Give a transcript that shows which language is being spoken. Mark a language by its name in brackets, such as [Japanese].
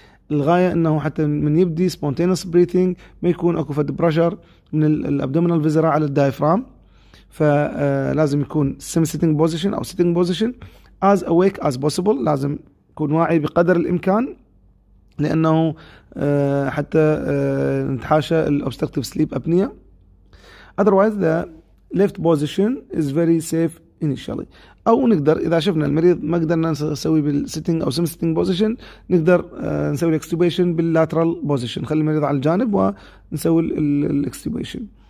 [Arabic] الغايه انه حتى من يبدي سبونتينس بريثنج ما يكون اكو فد بريشر من الابدومينال فيزرا على الدايفرام. فلازم يكون سيمي سيتنج بوزيشن او سيتنج بوزيشن از اويك از بوسيبل. لازم يكون واعي بقدر الامكان لانه حتى نتحاشى الاوبستركتيف سليب ابنيا. [English] Otherwise, the left position is very safe initially. [Arabic] أو نقدر إذا شفنا المريض ما قدرنا نسوي بالsitting أو sim-sitting position نقدر نسوي extubation باللاترال position. نخلي المريض على الجانب ونسوي extubation.